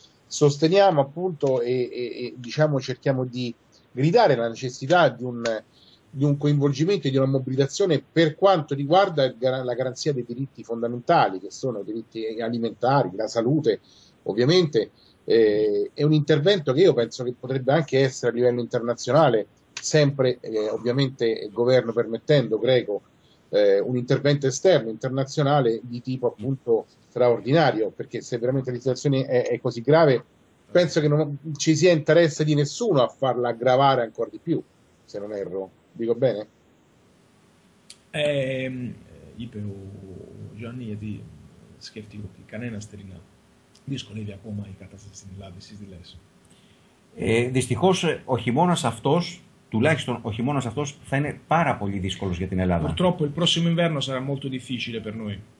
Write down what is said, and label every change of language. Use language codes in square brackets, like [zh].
[it] sosteniamo appunto e diciamo cerchiamo di gridare la necessità di un coinvolgimento e di una mobilitazione per quanto riguarda la garanzia dei diritti fondamentali, che sono i diritti alimentari, la salute, ovviamente, è un intervento che io penso che potrebbe anche essere a livello internazionale, sempre ovviamente il governo permettendo, greco, un intervento esterno, internazionale, di tipo appunto straordinario, perché se veramente la situazione è così grave, penso che non ci sia interesse di nessuno a farla aggravare ancora di più, se non erro. Dico bene? Io Gianni di scettico che canena sterina [el] δυσκολεύει ακόμα η κατάσταση στην Ελλάδα, εσείς τι λες? Δυστυχώς ο χειμώνας αυτός, τουλάχιστον ο χειμώνας αυτός, θα είναι πάρα πολύ δύσκολος για την Ελλάδα. [it] Purtroppo il prossimo inverno sarà molto difficile per noi.